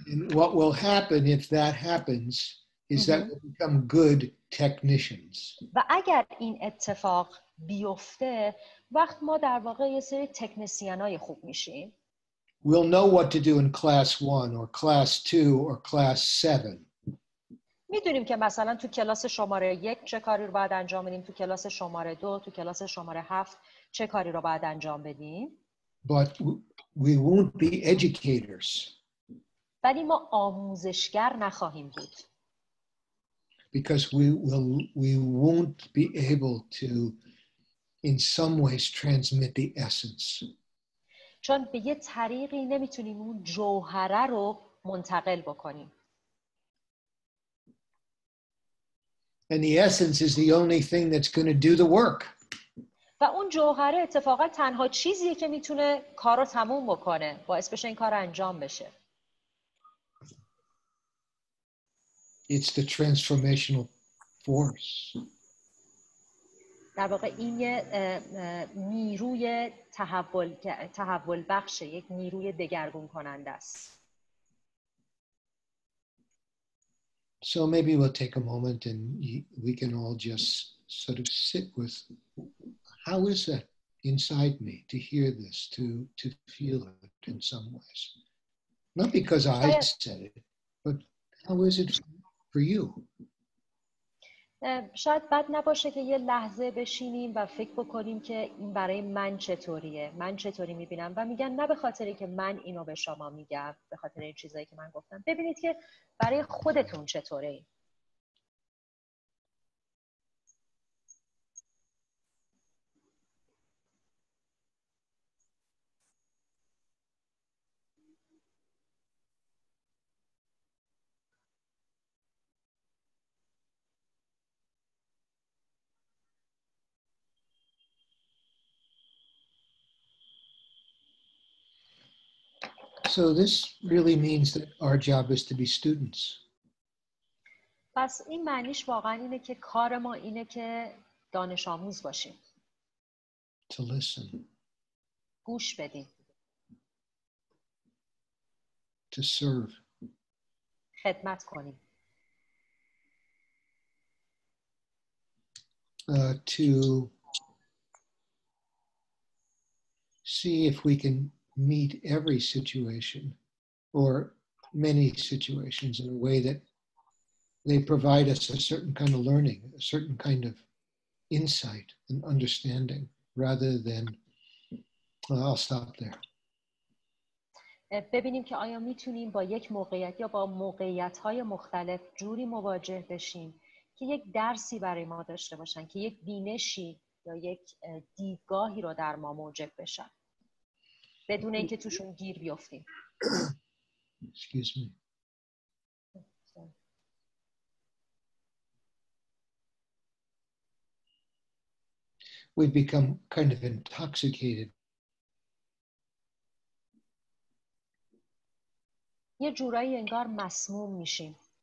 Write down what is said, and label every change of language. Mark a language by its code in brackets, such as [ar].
[en] And what will happen if that happens is that we'll become good technicians. [fa] و اگر این اتفاق بیفته وقت ما در واقع یه سری تکنسیانای خوب میشیم. [en] We'll know what to do in class 1 or class 2 or class 7. [fa] میدونیم که مثلا تو کلاس شماره 1 چه کاری رو باید انجام بدیم، تو کلاس شماره 2، تو کلاس شماره 7 چه کاری رو باید انجام بدیم. [en] But we won't be educators. [fa] ولی ما آموزشگر نخواهیم بود. [en] because we won't be able to in some ways transmit the essence. [fa] چون به یه طریقی نمیتونیم اون جوهره رو منتقل بکنیم. [en] And the essence is the only thing that's going to do the work. [fa] و اون جوهره اتفاقا تنها چیزیه که میتونه کارو تموم بکنه، باعث بشه این کار انجام بشه. [en] It's the transformational force. [fa] در واقع این یه نیروی تحول بخشه، یک نیروی دگرگون کننده است. [en] So maybe we'll take a moment and we can all just sort of sit with how is that inside me to hear this, to feel it in some ways. Not because I said it, but how is it for you? [fa] شاید بد نباشه که یه لحظه بشینیم و فکر بکنیم که این برای من چطوریه، من چطوری میبینم. و میگن نه به خاطر اینکه من اینو به شما میگم، به خاطر این چیزایی که من گفتم، ببینید که برای خودتون چطوره. [en] So this really means that our job is to be students. [fa] پس این معنیش واقعا اینه که کار ما اینه که دانش آموز باشیم. [en] To listen. [fa] گوش بدیم. [en] To serve. [fa] خدمت کنیم. [en] To see if we can meet every situation or many situations in a way that they provide us a certain kind of learning, a certain kind of insight and understanding rather than, well, I'll stop there. [fa] ببینیم که آیا میتونیم با یک موقعیت یا با موقعیت‌های مختلف جوری مواجه بشیم که یک درسی برای ما داشته باشن، که یک بینشی یا یک دیدگاهی رو در ما موجب بشن بدون اینکه توشون گیر بیافتیم. [en] Excuse me. We've become kind of intoxicated. [fa] یه جورایی انگار مسموم میشیم.